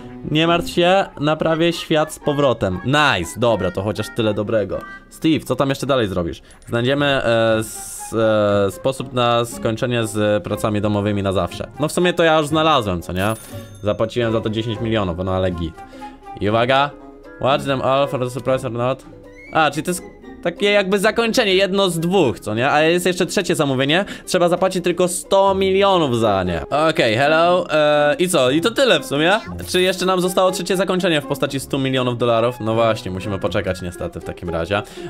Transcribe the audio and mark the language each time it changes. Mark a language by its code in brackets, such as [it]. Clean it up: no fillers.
[pl] Nie martw się, naprawię świat z powrotem. Nice, dobra, to chociaż tyle dobrego. Steve, co tam jeszcze dalej zrobisz? Znajdziemy sposób na skończenie z pracami domowymi na zawsze. No w sumie to ja już znalazłem, co nie? Zapłaciłem za to 10 milionów, no ale git. I uwaga, [en] watch them all for the surprise or not. [pl] A, czyli to jest takie jakby zakończenie, jedno z dwóch, co nie? A jest jeszcze trzecie zamówienie. Trzeba zapłacić tylko 100 milionów za nie. Okej, okay, hello. I co? I to tyle w sumie. Czy jeszcze nam zostało trzecie zakończenie w postaci 100 milionów dolarów? No właśnie, musimy poczekać niestety w takim razie.